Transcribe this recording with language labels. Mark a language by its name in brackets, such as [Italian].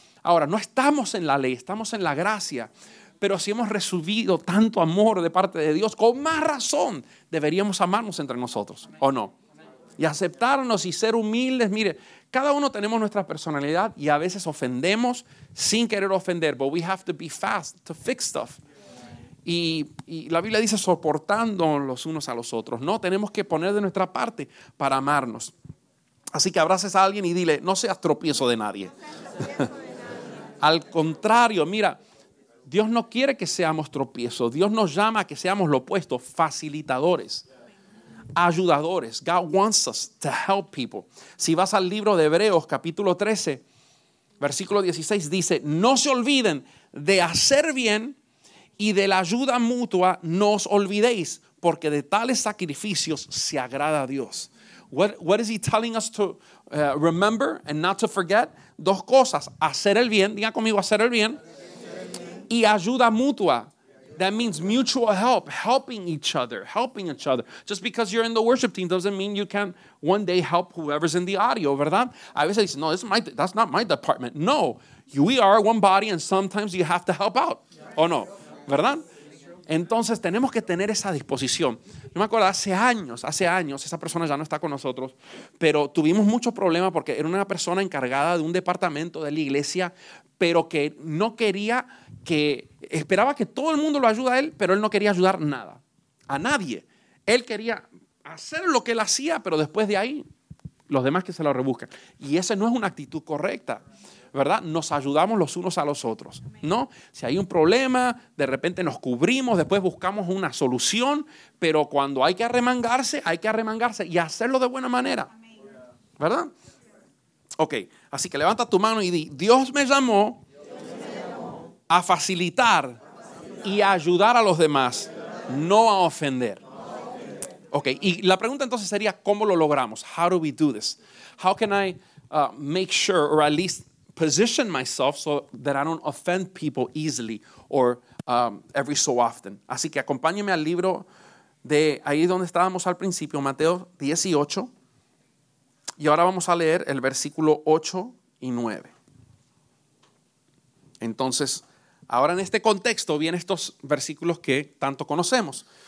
[Spanish] Ahora, no estamos en la ley, estamos en la gracia, pero si hemos recibido tanto amor de parte de Dios, con más razón deberíamos amarnos entre nosotros, ¿o no? Y aceptarnos y ser humildes. Mire, cada uno tenemos nuestra personalidad y a veces ofendemos sin querer ofender. [English] But we have to be fast to fix stuff. [Spanish] Y la Biblia dice soportando los unos a los otros. No, tenemos que poner de nuestra parte para amarnos. Así que abraces a alguien y dile, no seas tropiezo de nadie. Al contrario, mira, Dios no quiere que seamos tropiezo. Dios nos llama a que seamos lo opuesto, facilitadores. Ayudadores. [English] God wants us to help people. [Spanish] Si vas al libro de Hebreos, capítulo 13, versículo 16, dice, no se olviden de hacer bien y de la ayuda mutua no os olvidéis, porque de tales sacrificios se agrada a Dios. [English] What is he telling us to remember and not to forget? [Spanish] Dos cosas, hacer el bien, diga conmigo, hacer el bien, y ayuda mutua. [English] That means mutual help, helping each other. Just because you're in the worship team doesn't mean you can one day help whoever's in the audio, ¿verdad? [Spanish] A veces dicen, no, [English] that's not my department. No, we are one body and sometimes you have to help out. [Spanish] ¿O no? ¿Verdad? Entonces tenemos que tener esa disposición. Yo me acuerdo hace años, esa persona ya no está con nosotros, pero tuvimos muchos problemas porque era una persona encargada de un departamento de la iglesia, pero que no quería que, esperaba que todo el mundo lo ayude a él, pero él no quería ayudar nada, a nadie. Él quería hacer lo que él hacía, pero después de ahí, los demás que se lo rebuscan. Y esa no es una actitud correcta, ¿verdad? Nos ayudamos los unos a los otros, ¿no? Si hay un problema, de repente nos cubrimos, después buscamos una solución, pero cuando hay que arremangarse y hacerlo de buena manera, ¿verdad? Ok, así que levanta tu mano y di, Dios me llamó a facilitar y ayudar a los demás, no a ofender. Ok, y la pregunta entonces sería, ¿cómo lo logramos? [English] How do we do this? How can I make sure or at least position myself so that I don't offend people easily or every so often? [Spanish] Así que acompáñeme al libro de ahí donde estábamos al principio, Mateo 18. Y ahora vamos a leer el versículo 8 y 9. Entonces, ahora en este contexto vienen estos versículos que tanto conocemos.